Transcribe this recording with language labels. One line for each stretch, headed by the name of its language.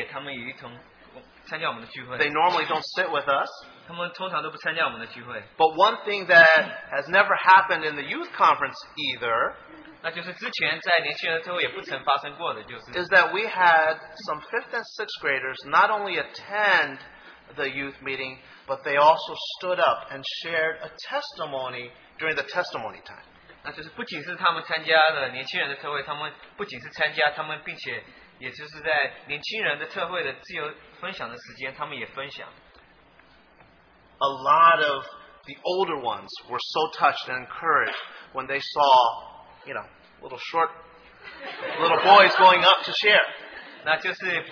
Chinese: 那今天我们也有特别有5、6年级的也他们也一同参加我们的聚会。
English: They normally don't sit with us.
Chinese: 他们通常都不参加我们的聚会。
English: But one thing that has never happened in the youth conference either, is that we had some 5th and 6th graders not only attend the youth meeting, but they also stood up and shared a testimony during the testimony time.
Chinese: 那就是不仅是他们参加了年轻人的特会，他们不仅是参加，他们并且也就是在年轻人的特会的自由分享的时间，他们也分享。
English: A lot of the older ones were so touched and encouraged when they saw, you know, little boys going up to share.